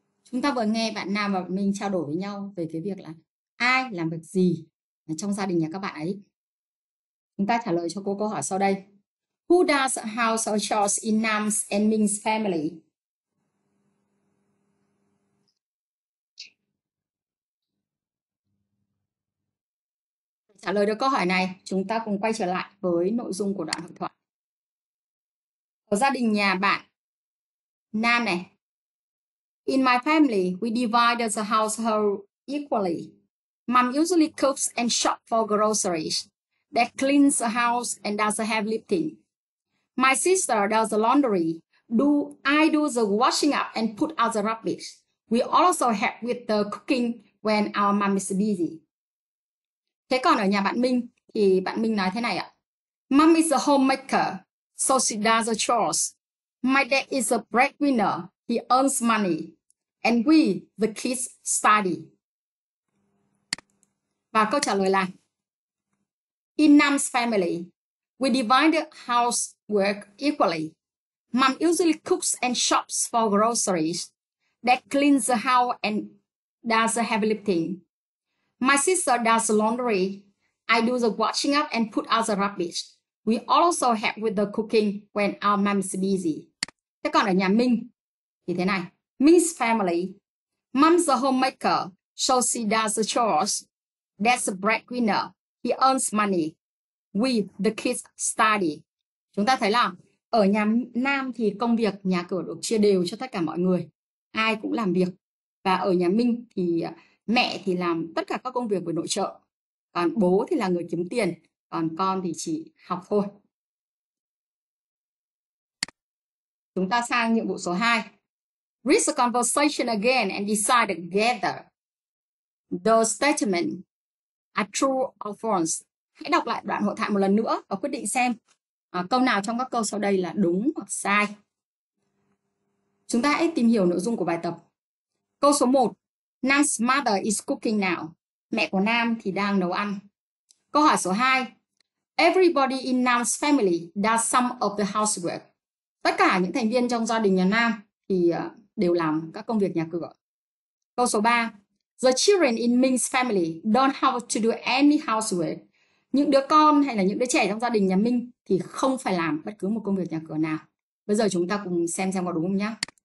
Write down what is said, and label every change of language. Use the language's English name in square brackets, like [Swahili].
[Vietnamese] Chúng ta vừa nghe bạn Nam và mình trao đổi với nhau về cái việc là ai làm việc gì trong gia đình nhà các bạn ấy. Chúng ta trả lời cho cô câu hỏi sau đây. [English] Who does household chores in Nam's and Ming's family? [Vietnamese] Trả lời được câu hỏi này, chúng ta cùng quay trở lại với nội dung của đoạn hội thoại. Ở gia đình nhà bạn, Nam này. [English] In my family, we divide the household equally. Mom usually cooks and shops for groceries. Dad cleans the house and does the heavy lifting. My sister does the laundry. I do the washing up and put out the rubbish. We also help with the cooking when our mom is busy. [Vietnamese] Thế còn ở nhà bạn Minh thì bạn Minh nói thế này ạ. [English] Mom is a homemaker, so she does the chores. My dad is a breadwinner, he earns money. And we, the kids, study. [Vietnamese] Và câu trả lời là [English] in Nam's family, we divide the housework equally. Mom usually cooks and shops for groceries. Dad cleans the house and does the heavy lifting. My sister does the laundry. I do the washing up and put out the rubbish. We also help with the cooking when our mom is busy. Thế còn ở nhà Minh thì thế này. Minh's family. Mom's a homemaker, so she does the chores. Dad's a breadwinner. He earns money. We, the kids, study. [Vietnamese] Chúng ta thấy là ở nhà Nam thì công việc nhà cửa được chia đều cho tất cả mọi người. Ai cũng làm việc. Và ở nhà Minh thì mẹ thì làm tất cả các công việc của nội trợ. Còn bố thì là người kiếm tiền. Còn con thì chỉ học thôi. Chúng ta sang nhiệm vụ số 2. [English] Read the conversation again and decide together. The statement are true or false. [Vietnamese] Hãy đọc lại đoạn hội thoại một lần nữa và quyết định xem câu nào trong các câu sau đây là đúng hoặc sai. Chúng ta hãy tìm hiểu nội dung của bài tập. Câu số 1. [English] Nam's mother is cooking now. [Vietnamese] Mẹ của Nam thì đang nấu ăn. Câu hỏi số 2. [English] Everybody in Nam's family does some of the housework. [Vietnamese] Tất cả những thành viên trong gia đình nhà Nam thì đều làm các công việc nhà cửa. Câu số 3. [English] The children in Ming's family don't have to do any housework. [Vietnamese] Những đứa con hay là những đứa trẻ trong gia đình nhà Minh thì không phải làm bất cứ một công việc nhà cửa nào. Bây giờ chúng ta cùng xem có đúng không nhá.